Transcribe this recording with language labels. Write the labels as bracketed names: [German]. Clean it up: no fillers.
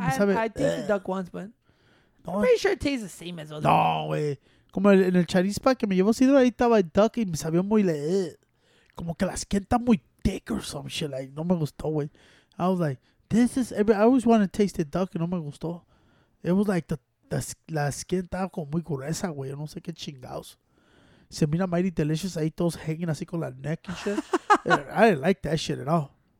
[English] I taste duck once, but no, I'm pretty sure it tastes the same as other. [Spanish] No, wey. Como en el charispa que me llevó Cidro, ahí estaba el duck y me sabía muy como que la skin está muy thick or some shit. Like no me gustó, wey. [English] I was like, this is, I always wanted to taste the duck and no me gustó. [Spanish] It was like the skin estaba como muy gruesa, güey. Yo no sé qué chingados. Se mira mighty delicious ahí todos hanging así con la neck and shit. [English] I didn't like that shit at all.